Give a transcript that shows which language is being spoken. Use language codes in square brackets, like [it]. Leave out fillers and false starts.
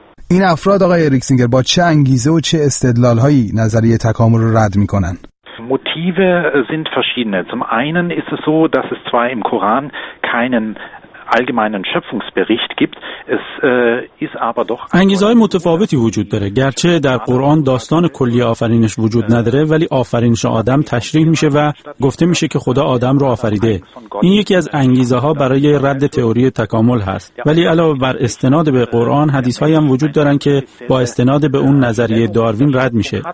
[fa] این افراد، آقای ریکسینگر، با چه انگیزه و چه استدلال هایی نظریه تکامل رو رد می کنند؟ [de] Motive sind verschiedene. Zum einen ist es so, dass es zwar im Koran keinen allgemeinen Schöpfungsbericht gibt, es ist aber doch [fa] انگیزه های متفاوتی وجود داره. گرچه در قرآن داستان کلی آفرینش وجود نداره، ولی آفرینش آدم تشریح میشه و گفته میشه که خدا آدم رو آفریده. این یکی از انگیزه ها برای رد تئوری تکامل هست. ولی علاوه بر استناد به قرآن، حدیث هایی هم وجود دارن که با استناد به اون نظریه داروین رد میشه.